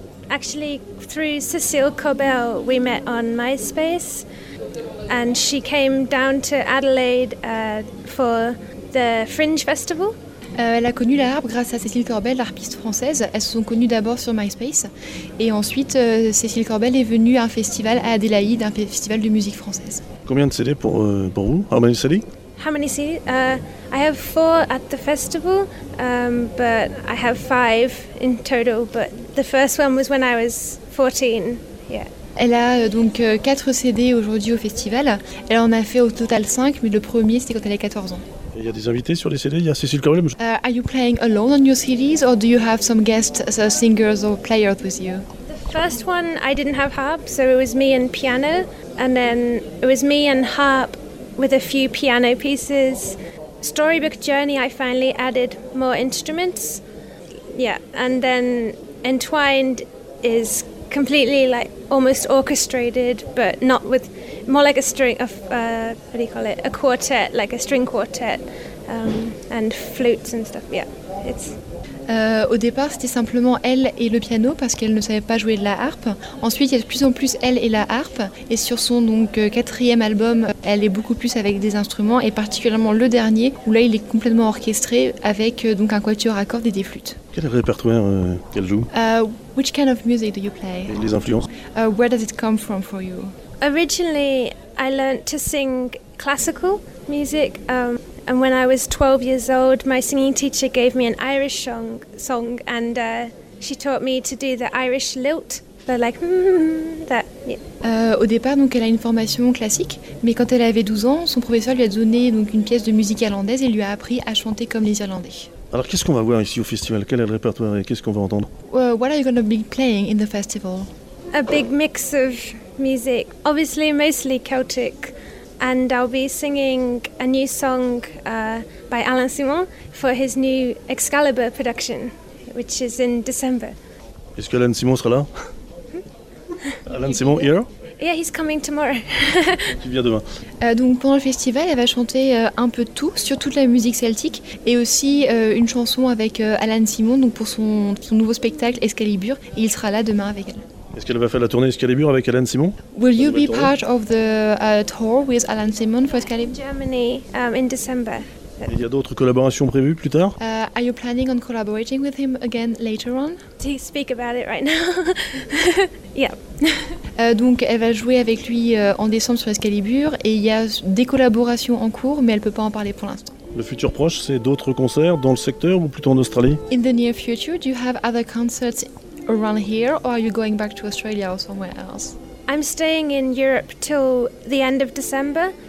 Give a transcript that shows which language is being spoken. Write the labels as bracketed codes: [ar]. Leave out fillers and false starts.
[en] Actually, through Cécile Corbel, we met on MySpace, and she came down to Adelaide for the Fringe Festival. [fr] Elle a connu la harpe grâce à Cécile Corbel, l'harpiste française. Elles se sont connues d'abord sur MySpace, et ensuite Cécile Corbel est venue à un festival à Adélaïde, un festival de musique française. Combien de CD pour vous? [en] How many CD? How many CD? I have 4 at the festival, but I have 5 in total. But the first one was when I was 14. Yeah. [fr] Elle a donc 4 CD aujourd'hui au festival. Elle en a fait au total 5, mais le premier c'était quand elle avait 14 ans. Il y a des invités sur les CD. Il y a Cécile Corbel. [en] Are you playing alone on your CDs, or do you have some guests, so singers or players with you? The first one, I didn't have harp, so it was me and piano, and then it was me and harp with a few piano pieces. Storybook Journey, I finally added more instruments. Yeah, and then Entwined is completely like almost orchestrated, but not with, more like a string of, what do you call it? A quartet, like a string quartet, and flutes and stuff. Yeah, it's... [fr] Au départ, c'était simplement elle et le piano parce qu'elle ne savait pas jouer de la harpe. Ensuite, il y a de plus en plus elle et la harpe. Et sur son donc, 4e album, elle est beaucoup plus avec des instruments, et particulièrement le dernier, où là, il est complètement orchestré avec donc, un quatuor à cordes et des flûtes. Quel répertoire qu'elle joue? [en] Which kind of music do you play? [fr] Et les influences? [en] Where does it come from for you? Originally, I learned to sing classical music. And when I was 12 years old, my singing teacher gave me an Irish song, and she taught me to do the Irish lilt, the like that. Yeah. [fr] Au départ, donc, elle a une formation classique, mais quand elle avait 12 ans, son professeur lui a donné donc une pièce de musique irlandaise et lui a appris à chanter comme les Irlandais. Alors, qu'est-ce qu'on va voir ici au festival? Quel est le répertoire et qu'est-ce qu'on va entendre? [en] What are you going to be playing in the festival? A big mix of music, obviously mostly Celtic. And I'll be singing a new song by Alain Simon for his new Excalibur production, which is in December. [fr] Est-ce qu'Alain Simon sera là? [en] Alain Simon here? Yeah, he's coming tomorrow. [fr] Il vient demain. Donc pendant le festival, elle va chanter un peu de tout, sur toute la musique celtique, et aussi une chanson avec Alain Simon, donc pour son nouveau spectacle Excalibur, et il sera là demain avec elle. Est-ce qu'elle va faire la tournée Excalibur avec Alain Simon? [en] Will you be part of the tour with Alain Simon for Excalibur? Germany in December. [fr] Il y a d'autres collaborations prévues plus tard? [en] Are you planning on collaborating with him again later on? Do you speak about it right now? Yeah. [fr] Donc elle va jouer avec lui en décembre sur Excalibur, et il y a des collaborations en cours, mais elle peut pas en parler pour l'instant. Le futur proche, c'est d'autres concerts dans le secteur ou plutôt en Australie? [en] In the near future, do you have other concerts around here, or are you going back to Australia or somewhere else? I'm staying in Europe till the end of December.